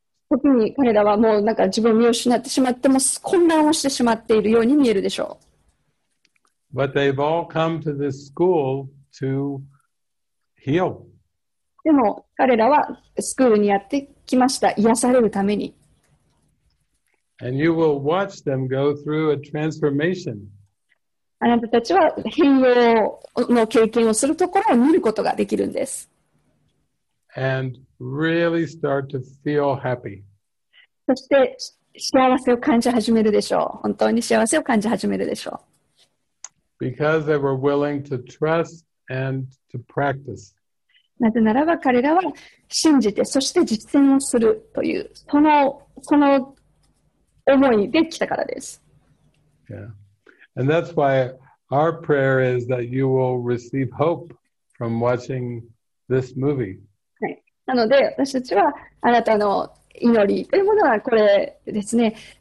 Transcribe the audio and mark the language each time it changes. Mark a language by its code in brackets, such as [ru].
[en] But they've all come to this school to heal. [ja] でも彼らはスクールにやってきました。癒されるために。 [en] And you will watch them go through a transformation. [ja] あなたたちは変容の経験をするところを見ることができるんです。 [en] And really start to feel happy. [ja] そして幸せを感じ始めるでしょう。本当に幸せを感じ始めるでしょう。 [en] Because they were willing to trust and to practice. [ja] なぜならば彼らは信じてそして実践をするというその思いで来たからです。 [en] Yeah. And that's why our prayer is that you will receive hope from watching this movie. [ja] はい。なので私たちはあなたの祈りというものはこれですね。